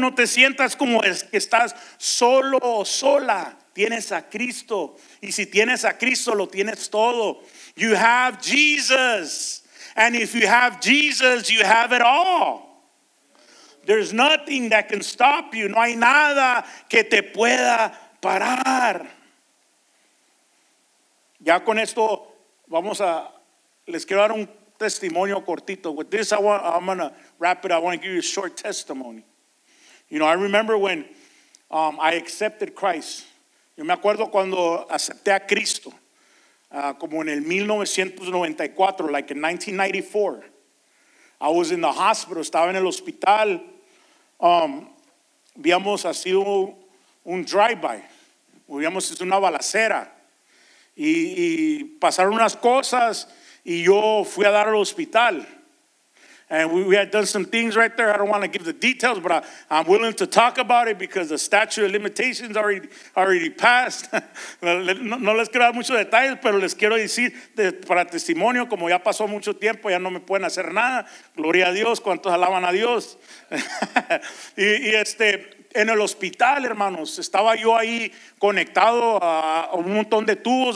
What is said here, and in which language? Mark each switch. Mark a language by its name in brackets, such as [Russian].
[Spanish] No te sientas como es que estás solo o sola. Tienes a Cristo. Y si tienes a Cristo, lo tienes todo. [English] You have Jesus. And if you have Jesus, you have it all. There's nothing that can stop you. [Spanish] No hay nada que te pueda parar. Ya con esto vamos a les quiero dar un testimonio cortito. [English] With this, I'm gonna wrap it. I want to give you a short testimony. You know, I remember when I accepted Christ. [Spanish] Yo me acuerdo cuando acepté a Cristo. como en el 1994, [English] like in 1994. I was in the hospital, [Spanish] estaba en el hospital. Habíamos sido un drive-by, habíamos hecho una balacera. Y pasaron unas cosas y yo fui a dar al hospital. [English] And we had done some things right there. I don't want to give the details, but I'm willing to talk about it because the statute of limitations already passed. [Spanish] No les quiero dar muchos detalles, pero les quiero decir para testimonio, como ya pasó mucho tiempo, ya no me pueden hacer nada. Gloria a Dios, cuántos alaban a Dios. Y en el hospital, hermanos, estaba yo ahí conectado a un montón de tubos.